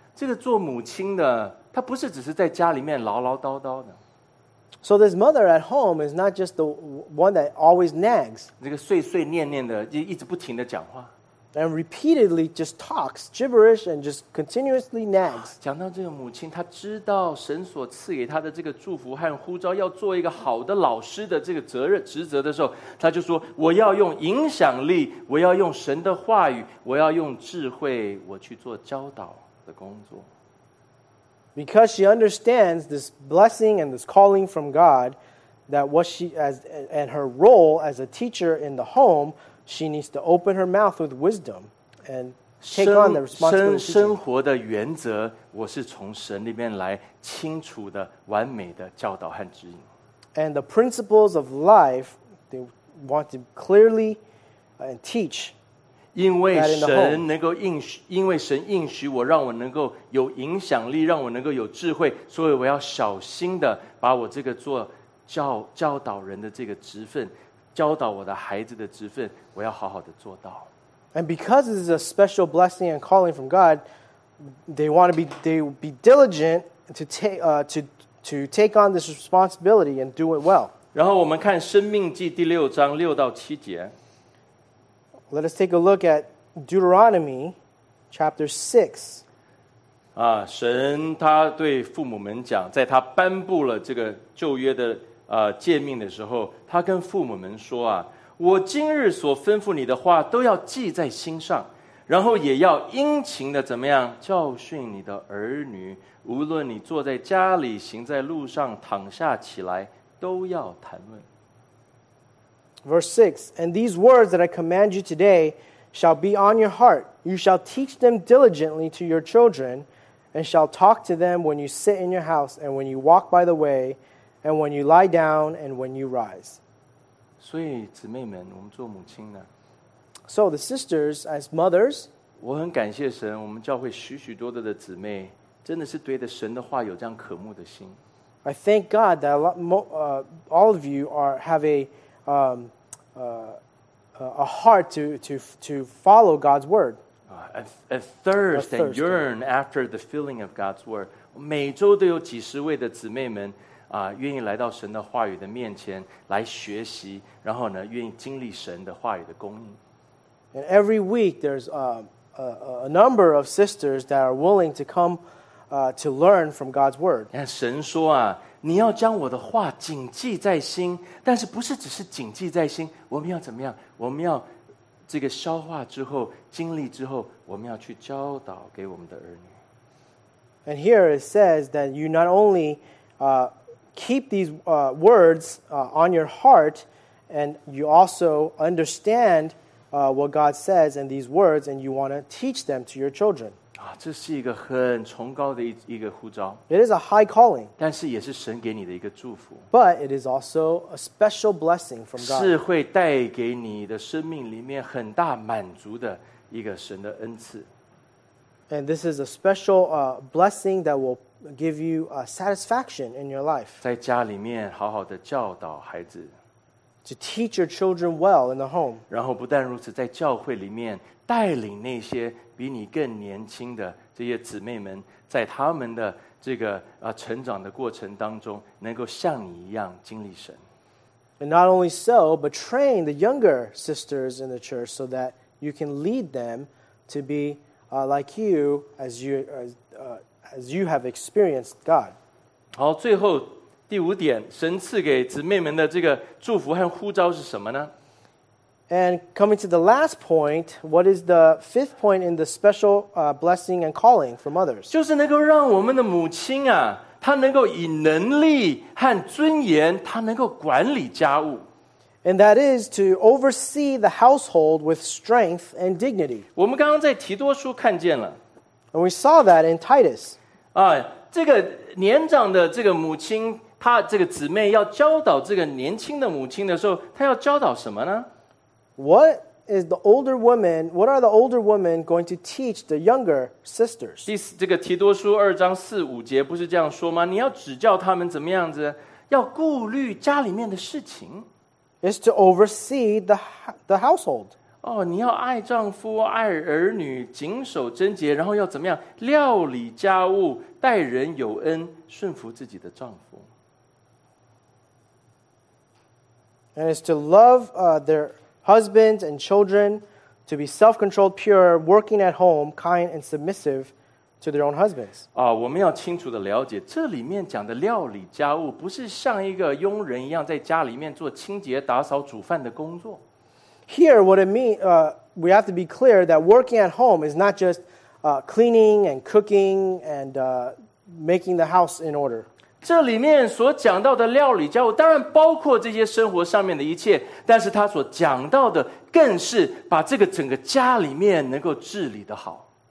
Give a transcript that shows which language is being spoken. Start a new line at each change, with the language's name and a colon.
Chinese: 这个做母亲的，她不是只是在家里面唠唠叨叨的。
English: So this mother at home is not just the one that always nags.
Chinese: 这个碎碎念念的，一直不停的讲话。
English: And repeatedly just talks gibberish and just continuously nags.
Chinese: 讲到这个母亲，她知道神所赐给她的这个祝福和呼召，要做一个好的老师的这个责任职责的时候，她就说：“我要用影响力，我要用神的话语，我要用智慧，我去做教导的工作。”
English: Because she understands this blessing and this calling from God, that what she as and her role as a teacher in the home. She needs to open her mouth with wisdom and take on the responsibility.
Chinese: 生活的原则，我是从神里面来清楚的、完美的教导和指引。
English: And the principles of life, they want to clearly teach.
Chinese: 因为神能够应许，因为神应许我，让我能够有影响力，让我能够有智慧，所以我要小心的把我这个做教导人的这个职分。教导我的孩子的职分，我要好好的做到。
English: And because this is a special blessing and calling from God, they want to be diligent to take on this responsibility and do it well.
Chinese: 然后我们看《生命记》第六章六到七节。
English: Let us take a look at Deuteronomy chapter 6.
Chinese: 啊，神他对父母们讲，在他颁布了这个旧约的。诫命的时候，他跟父母们说啊，我今日所吩咐你的话都要记在心上，然后也要殷勤的怎么样教训你的儿女，无论你坐在家里，行在路上，躺下起来，都要谈论。
English: Verse 6, and these words that I command you today shall be on your heart. You shall teach them diligently to your children, and shall talk to them when you sit in your house, and when you walk by the way,And when you lie down, and when you rise.
Chinese: 所以姊妹们，我们做母亲呢。
English: So the sisters, as mothers.
Chinese: 我很感谢神，我们教会许许多多的姊妹，真的是对着神的话有这样渴慕的心。
English: I thank God that all of you have a heart to follow God's word. A thirst and yearn after the filling of God's word.
Chinese: 每周都有几十位的姊妹们。愿意来到神的话语的面前来学习，然后呢，愿意经历神的话语的供应。
English: And every week there's a number of sisters that are willing to come to learn from God's word.
Chinese: 神说啊，你要将我的话谨记在心，但是不是只是谨记在心？我们要怎么样？我们要这个消化之后、经历之后，我们要去教导给我们的儿女。
English: And here it says that you not only keep these words on your heart, and you also understand what God says in these words, and you want to teach them to your children.
Chinese: 这是一个很崇高的 一个呼召。
English: It is a high calling.
Chinese: 但是也是神给你的一个祝福。
English: But it is also a special blessing from God.
Chinese: 是会带给你的生命里面很大满足的一个神的恩赐。
English: And this is a special blessing that will give you satisfaction in your life.
Chinese: 在家里面好好的教导孩子。
English: To teach your children well in the home.
Chinese: 然后不但如此，在教会里面带领那些比你更年轻的这些姊妹们，在他们的这个成长的过程当中，能够像你一样经历神。
English: And not only so, but train the younger sisters in the church so that you can lead them to be like you as you have experienced God.
Chinese: 好，最后第五点，神赐给姊妹们的这个祝福和呼召是什么呢？
English: And coming to the last point, what is the fifth point in the special blessing and calling from others?
Chinese: 就是能够让我们的母亲啊，她能够以能力和尊严，她能够管理家务。
English: And that is to oversee the household with strength and dignity.
Chinese: 我们刚刚在提多书看见了。
English: And we saw that in Titus.
Chinese: 啊，这个年长的这个母亲，她这个姊妹要教导这个年轻的母亲的时候，她要教导什么呢？
English: What is the older woman? What are the older women going to teach the younger sisters?
Chinese: 这个提多书二章四五节不是这样说吗？你要指教他们怎么样子，要顾虑家里面的事情。
English: Is to oversee the household.
Chinese: 哦，你要爱丈夫、爱儿女、谨守贞洁，然后要怎么样料理家务、待人有恩、顺服自己的丈夫。
English: And is to love their husbands and children to be self-controlled, pure, working at home, kind and submissive to their own husbands.
Chinese: 啊，我们要清楚的了解，这里面讲的料理家务，不是像一个佣人一样在家里面做清洁、打扫、煮饭的工作。
English: Here, what it means, we have to be clear that working at home is not just cleaning and cooking and making the house in order.
Chinese: 这里面所讲到的料理家务，当然包括这些生活上面的一切，但是他所讲到的更是把这个整个家里面能够治理的好。